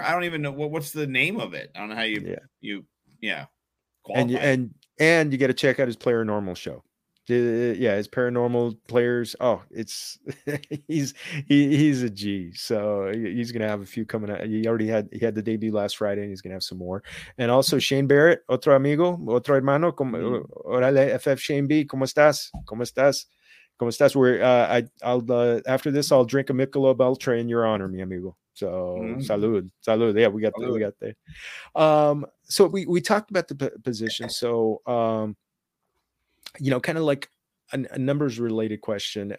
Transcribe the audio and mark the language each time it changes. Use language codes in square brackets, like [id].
[en] I don't even know what's the name of it. I don't know how qualify. And you get to check out his player normal show. Yeah, his paranormal players. Oh, it's he's a G. So he's gonna have a few coming out. He had the debut last Friday, and he's gonna have some more. And also Shane Barrett, [es] otro amigo, otro hermano. Orale, FF Shane B, ¿cómo estás? ¿Cómo estás? Como estás? [en] After this, I'll drink a Michelob Ultra in your honor, [es] mi amigo. [en] So, [es] salud, salud. [en] Yeah, we got there. So we talked about the position. So, you know, kind of like a numbers related question.